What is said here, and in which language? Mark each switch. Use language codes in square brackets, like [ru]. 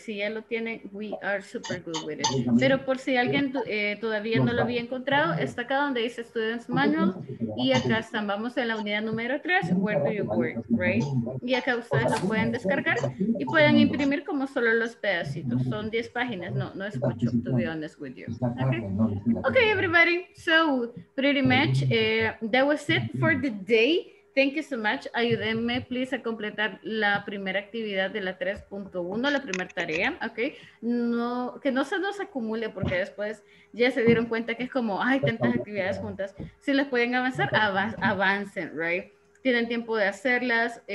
[es] Si ya lo tienen, [en] we are super good with it. [es] Pero por si alguien todavía no lo había encontrado, está acá donde dice Students Manual. Y acá están. Vamos en la unidad número 3. [en] Where do you work, right? [es] Y acá ustedes lo pueden descargar y pueden imprimir como solo los pedacitos. Son 10 páginas. No es mucho, [en] to be honest with you. Okay everybody. So, pretty much, that was it for the day. Thank you so much. [es] Ayúdenme, please, a completar la primera actividad de la 3.1, la primera tarea, ¿ok? No, que no se nos acumule porque después ya se dieron cuenta que es como, ay, tantas actividades juntas. Si las pueden avanzar, avancen, ¿right? Tienen tiempo de hacerlas.